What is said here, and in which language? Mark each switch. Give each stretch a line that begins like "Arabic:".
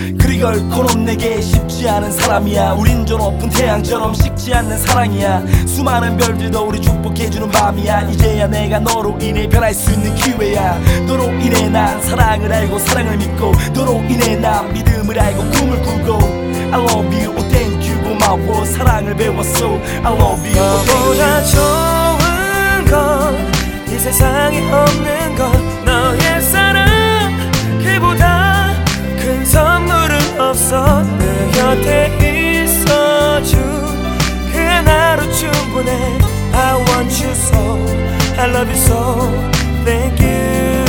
Korean: 그리 걸고 넌 내게 쉽지 않은 사람이야. 우린 저 높은 태양처럼 식지 않는 사랑이야. 수많은 별들도 우리 축복해주는 밤이야. 이제야 내가 너로 인해 변할 수 있는 기회야. 너로 인해 난 사랑을 알고 사랑을 믿고, 너로 인해 난 믿음을 알고 꿈을 꾸고.
English: I love you, oh thank you,
Korean: 고마워. 사랑을 배웠어.
English: I love you, oh thank you.
Korean: 너보다 좋은 건 이 세상에 없는 건 너의 사랑. 그보다 큰 선물은 없어. 내 곁에 있어준 그 하나로 충분해.
English: I want you so, I love you so, thank you.